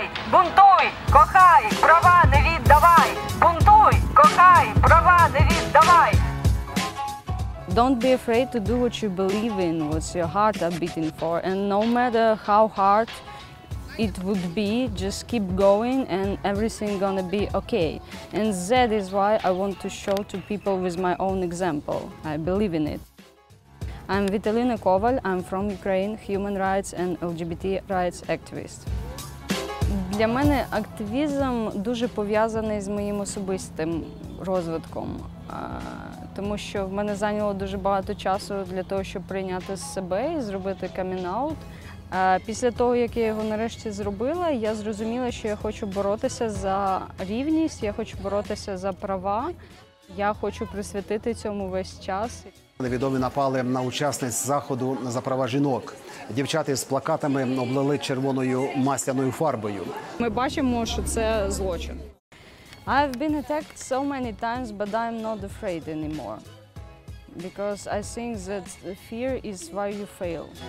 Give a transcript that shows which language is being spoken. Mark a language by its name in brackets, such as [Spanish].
[Ukrainian] Бунтуй, кохай, права не віддавай. Бунтуй, кохай, права не віддавай. [English] Don't be afraid to do what you believe in, what your heart is beating for. And no matter how hard it would be, just keep going and everything gonna be okay. And that is why I want to show to people with my own example. I believe in it. I'm Vitalina Koval, I'm from Ukraine, human rights and LGBT rights activist. [Ukrainian] Для мене активізм дуже пов'язаний з моїм особистим розвитком. Тому що в мене зайняло дуже багато часу для того, щоб прийняти себе і зробити камінаут. Після того, як я його нарешті зробила, я зрозуміла, що я хочу боротися за рівність, я хочу боротися за права, я хочу присвятити цьому весь час. Невідомі напали на учасниць заходу за права жінок. Дівчата з плакатами облили червоною масляною фарбою. Ми бачимо, що це злочин. [English] I've been attacked so many times, but I'm not afraid anymore. Because I think that fear is why you fail.